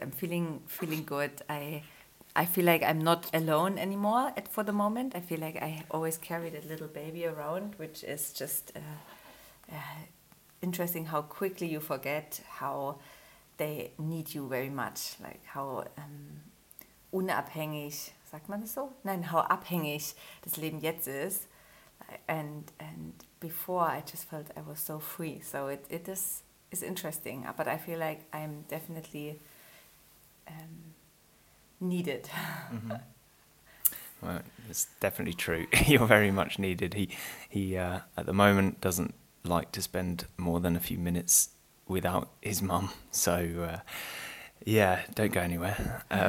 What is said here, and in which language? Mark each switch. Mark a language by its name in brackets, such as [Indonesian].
[English] I'm feeling good. I feel like I'm not alone anymore for the moment. I feel like I always carried a little baby around, which is just interesting how quickly you forget how they need you very much, like how unabhängig, [German] sagt man das so? Nein, [English] how [German] abhängig das Leben jetzt ist. [English] And before I just felt I was so free. So it is interesting, but I feel like I'm definitely needed. Mm-hmm. Well, it's definitely true. You're very much needed. He at the moment doesn't like to spend more than a few minutes without his mum, so yeah, don't go anywhere.